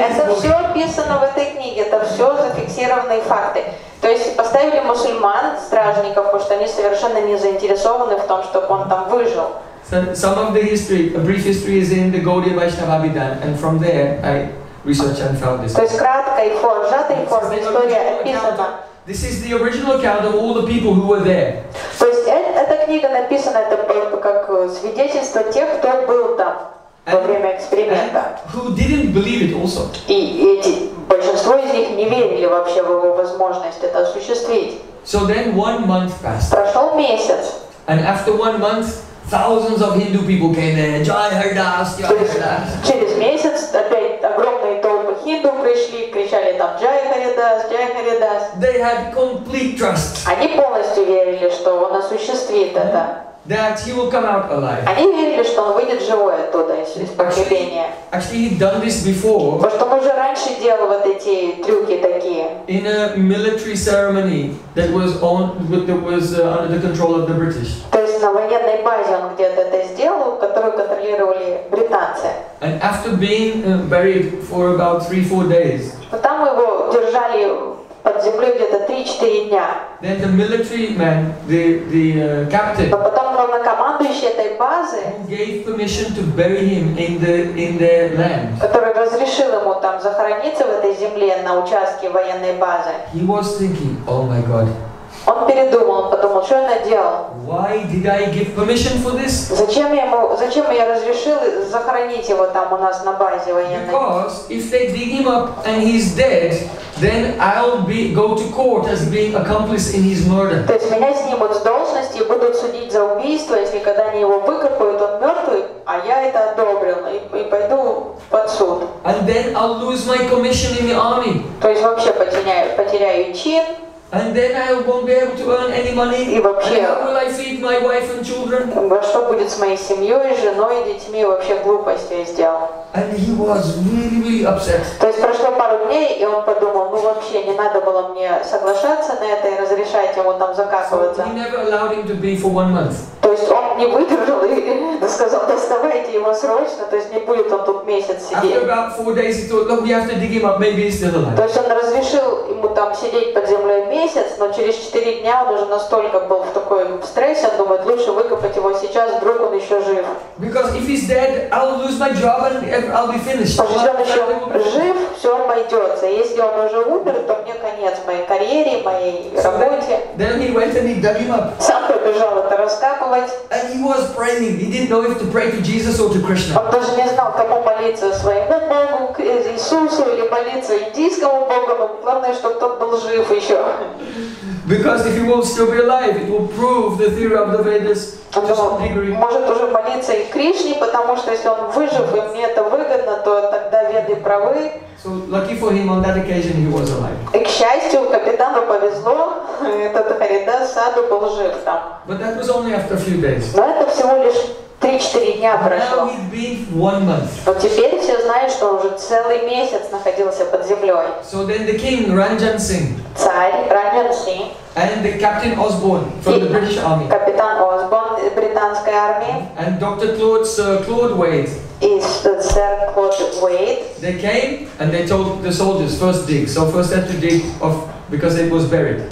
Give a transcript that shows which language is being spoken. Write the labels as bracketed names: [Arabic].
[Russian] Это все описано в этой книге, это все зафиксированные факты. То есть поставили мусульман, стражников, потому что они совершенно не заинтересованы в том, чтобы он там выжил. [English] Some of the history, a brief history, is in the Gaudiya Vaishnava Abhidhan, and from there I researched and found this. [Russian] То есть краткая форма, сжатая форма история описана. [English] This is the original account of all the people who were there. [Russian] То есть эта книга написана это как свидетельство тех, кто был там во время эксперимента. [English] Who didn't believe it also? [Russian] И эти большинство из них не верили вообще в его возможность это осуществить. [English] So then 1 month passed. [Russian] Прошел месяц. [English] And after 1 month. Thousands of Hindu people came there. [Hindi] Jai Hari Das, Jai Hari Das. [Russian] Через месяц опять огромные толпы хинду пришли, кричали там Jai Hari Das, Jai Hari Das. [English] They had complete trust. [Russian] Они полностью верили, что он осуществит это. [English] That he will come out alive. [Russian] Они верили, что он выйдет живой оттуда из погребения. [English] Actually, he'd done this before. [Russian] Потому что он уже раньше делал вот эти трюки такие. [English] In a military ceremony that was under the control of the British. [Russian] То есть на военной базе он где-то это сделал, которую контролировали британцы. [English] And after being buried for about 3-4 days. [Russian] Но там его держали под землей где-то 3-4 дня. [English] Then the military man, the captain. [Russian] Но потом главнокомандующий этой базы. [English] Gave permission to bury him in the land. [Russian] Который разрешил ему там захорониться в этой земле на участке военной базы. [English] He was thinking, oh my God. [Russian] Он передумал, подумал, что я наделал. [English] Why did I give permission for this? [Russian] Зачем я разрешил захоронить его там у нас на базе военной? [English] Because if they dig him up and he's dead, then I'll go to court as being accomplice in his murder. [Russian] То есть меня снимут с должности и будут судить за убийство, если когда они его выкопают, он мертвый, а я это одобрил и пойду под суд. [English] And then I'll lose my commission in the army. [Russian] То есть вообще потеряю чин. [English] And then I won't be able to earn any money. [Russian] И вообще, [English] and how will I feed my wife and children? [Russian] Во что будет с моей семьей, женой, детьми? Вообще глупость я сделал. [English] And he was really, really upset. [Russian] То есть прошло пару дней, и он подумал, ну вообще не надо было мне соглашаться на это и разрешать ему там закапываться. [English] He never allowed him to be for 1 month. [Russian] То есть он не выдержал и сказал, доставайте его срочно, то есть не будет он тут месяц сидеть. [English] After about 4 days, he thought, look, we have to dig him up, maybe he's still alive. [Russian] То есть он разрешил ему там сидеть под землей месяц, но через 4 дня он уже настолько был в такой стрессе, он думает, лучше выкопать его сейчас, вдруг он еще жив. [English] Because if he's dead, I'll lose my job and I'll be finished. [Russian] Потому что он еще жив, все обойдется. Если он уже умер, то мне конец моей карьере, моей работе. [English] Then he went and he dug him up. [Russian] Сам побежал это раскапывать. [English] And he was praying. He didn't know if to pray to Jesus or to Krishna. [Russian] Он даже не знал, кому молиться, своему Богу, Иисусу или молиться индийскому богу, но главное, чтобы тот был жив еще. [English] Because if he will still be alive, it will prove the theory of the Vedas to some degree. [Russian] Может уже молиться и Кришне, потому что если он выжив и мне это выгодно, то тогда Веды правы. [English] So lucky for him on that occasion he was alive. [Russian] И к счастью капитану повезло, этот Харидас Саду был жив там. [English] But that was only after a few days. [Russian] Но это всего лишь 3-4 дня прошло. [English] Now he'd been one month. [Russian] Вот теперь все знают, что уже целый месяц находился под землей. [English] So then the king Ranjan Singh. [Russian] Царь Ранджан Сингх. [English] And the captain Osborne from the British army. [Russian] Капитан Осборн из британской армии. [English] And Dr. Claude Wade. They came and they told the soldiers first dig. So first had to dig of because it was buried.